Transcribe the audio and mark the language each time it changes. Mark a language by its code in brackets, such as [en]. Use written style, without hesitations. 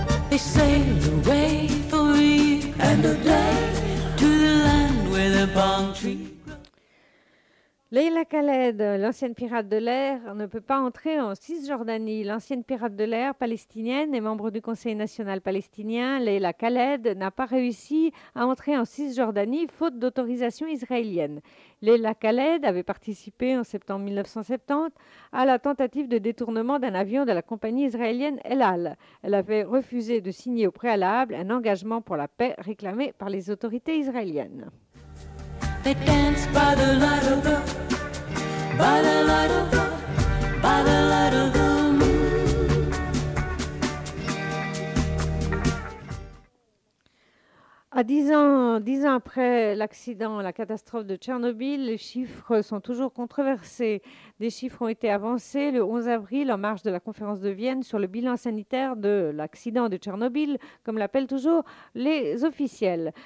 [en] they sailed away for a week and a day to the land where the palm tree. [fr] Leila Khaled, l'ancienne pirate de l'air, ne peut pas entrer en Cisjordanie. L'ancienne pirate de l'air palestinienne et membre du Conseil national palestinien, Leila Khaled, n'a pas réussi à entrer en Cisjordanie faute d'autorisation israélienne. Leila Khaled avait participé en septembre 1970 à la tentative de détournement d'un avion de la compagnie israélienne El Al. Elle avait refusé de signer au préalable un engagement pour la paix réclamé par les autorités israéliennes. [en] They dance by the light of the, by the light of the, by the light of the [fr] À 10 ans après l'accident, la catastrophe de Tchernobyl, les chiffres sont toujours controversés. Des chiffres ont été avancés le 11 avril en marge de la conférence de Vienne sur le bilan sanitaire de l'accident de Tchernobyl, comme l'appellent toujours les officiels.